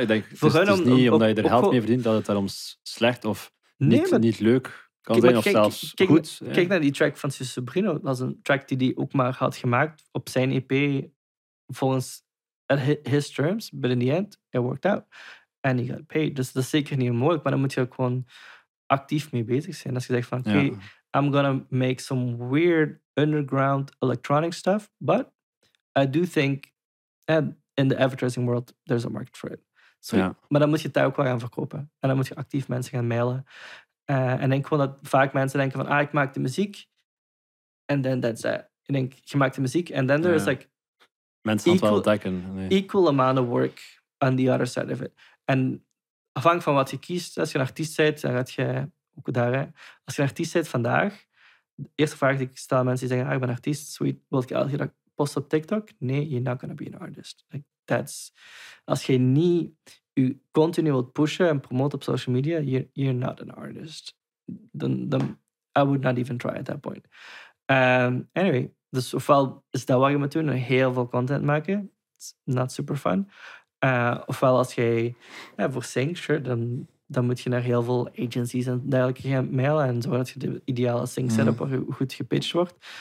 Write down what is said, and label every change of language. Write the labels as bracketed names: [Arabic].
[Dutch] Ik denk, het is niet omdat je er geld mee verdient dat het daarom slecht of niet leuk kan zijn. Of zelfs goed. Kijk naar die track van Sobrino. Dat was een track die hij ook maar had gemaakt op zijn EP. Volgens [English] his terms. But in the end, it worked out. And he got paid. [Dutch] Dus dat is zeker niet mogelijk. Maar dan moet je ook gewoon actief mee bezig zijn. Als je zegt van, oké, [English] I'm gonna make some weird underground electronic stuff, but I do think and in the advertising world there's a market for it. [Dutch] So, maar dan moet je het ook wel gaan verkopen. En dan moet je actief mensen gaan mailen. En denk gewoon dat vaak mensen denken van, ik maak de muziek [English] and then that's that. [Dutch] Ik denk, je maakt de muziek [English] and then there's like [Dutch] mensen aan het wel ontdekken. [English] Equal amount of work on the other side of it. [Dutch] En afhankelijk van wat je kiest, als je een artiest bent, dan gaat je ook daar, hè. Als je een artiest bent vandaag, de eerste vraag die ik stel mensen die zeggen, ik ben artiest, sweet, wil ik elke dag posten op TikTok? Nee, [English] you're not gonna be an artist. Like, that's... [Dutch] Als je niet je continu wilt pushen en promoten op social media, [English] you're not an artist. Then I would not even try at that point. [Dutch] Anyway, dus ofwel is dat wat je moet doen, heel veel content maken. [English] It's not super fun. [Dutch] Ofwel als je voor Sing, sure, dan moet je naar heel veel agencies en dergelijke gaan mailen en zorgen dat je de ideale sync setup goed gepitcht wordt.